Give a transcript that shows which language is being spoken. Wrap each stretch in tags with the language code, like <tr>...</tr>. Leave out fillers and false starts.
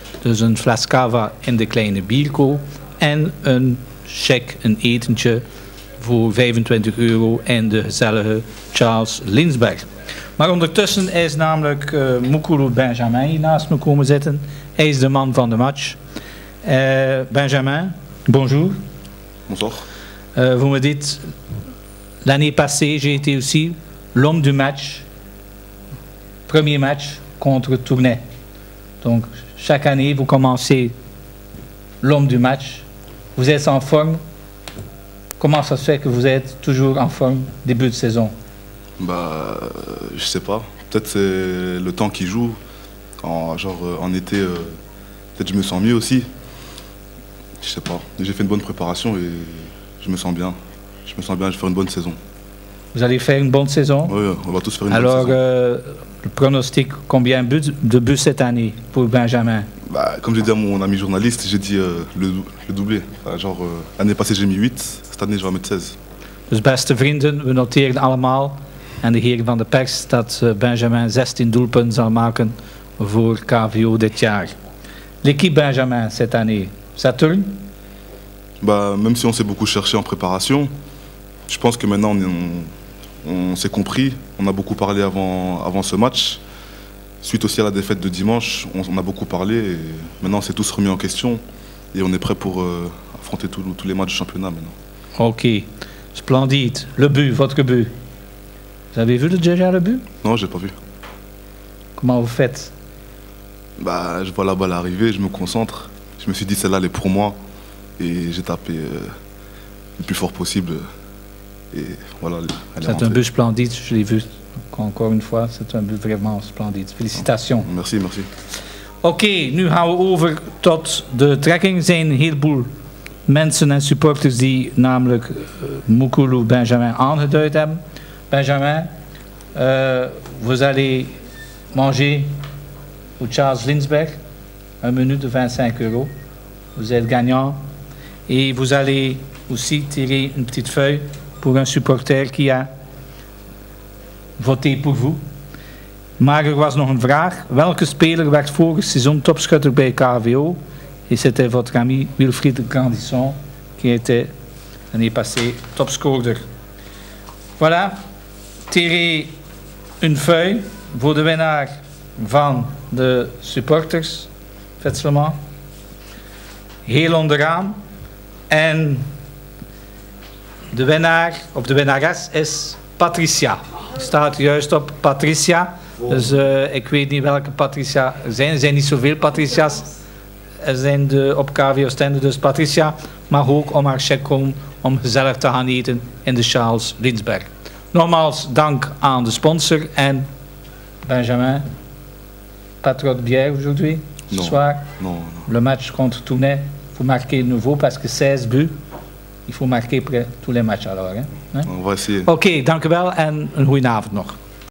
<nl>Dus een fles cava in de Kleine Bierco en een check, een etentje voor 25 euro in de gezellige Charles Lindberg. Maar ondertussen is namelijk Mukuru Benjamin hier naast me komen zitten. Hij is de man van de match.</nl> <fr>Benjamin, bonjour. Vous me dites, l'année passée, j'ai été aussi l'homme du match, premier match contre Tournai. Donc, chaque année, vous commencez l'homme du match, vous êtes en forme. Comment ça se fait que vous êtes toujours en forme début de saison? Je sais pas. Peut-être c'est le temps qui joue. En été, peut-être je me sens mieux aussi. Je sais pas. J'ai fait une bonne préparation et je me sens bien. Je me sens bien, je vais faire une bonne saison. Vous allez faire une bonne saison? Oui, on va tous faire une bonne saison. Alors, pronostic, combien de buts cette année pour Benjamin? Comme j'ai dit à mon ami journaliste, j'ai dit le doublé. Enfin, l'année passée j'ai mis 8, cette année je vais mettre 16.</fr> <nl>Dus beste vrienden, we noteren allemaal, en de heren van de pers, dat Benjamin 16 doelpunten zal maken voor KVO dit jaar.</nl> <fr>L'équipe Benjamin cette année? Saturn? Même si on s'est beaucoup cherché en préparation, je pense que maintenant on s'est compris. On a beaucoup parlé avant ce match. Suite aussi à la défaite de dimanche, on a beaucoup parlé. Et maintenant, c'est tous remis en question. Et on est prêt pour affronter tous les matchs du championnat maintenant. Ok. Splendide. Le but, votre but. Vous avez vu déjà le but? Non, j'ai pas vu. Comment vous faites? Je vois la balle arriver, je me concentre. Je me suis dit celle-là elle est pour moi et j'ai tapé le plus fort possible et voilà. C'est un but splendide, je l'ai vu encore une fois, c'est un but vraiment splendide. Félicitations. Merci, merci.</fr> <nl>Ok, nu gaan we over tot de trekking. Er zijn een heleboel mensen en supporters die namelijk Mukuru Benjamin aangeduid hebben.</nl> <fr>Benjamin, vous allez manger au Charles Lindberg. Un menu de 25 euros. Vous êtes gagnant. Et vous allez aussi tirer une petite feuille pour un supporter qui a voté pour vous.</fr> <nl>Maar er was nog een vraag. Welke speler werd vorige seizoen topschutter bij KVO?</nl> <fr>Et c'était votre ami Wilfried Grandisson, qui était l'année passée topscorer. Voilà. Tirez une feuille</fr> <nl>voor de winnaar van de supporters. Vetselman, heel onderaan en de winnaar of de winnares is Patricia. Staat juist op Patricia, dus ik weet niet welke Patricia er zijn. Er zijn niet zoveel Patricia's, er zijn op KVO Stende, dus Patricia mag ook om haar check komen om gezellig te gaan eten in de Charles Lindberg. Nogmaals dank aan de sponsor en Benjamin,</nl> <fr>patrot bière aujourd'hui. Ce soir, non. Le match contre Tournai, il faut marquer nouveau parce que 16 buts, il faut marquer près tous les matchs alors. On va essayer.</fr> <nl>Ok, dank u wel en een goede avond nog.</nl>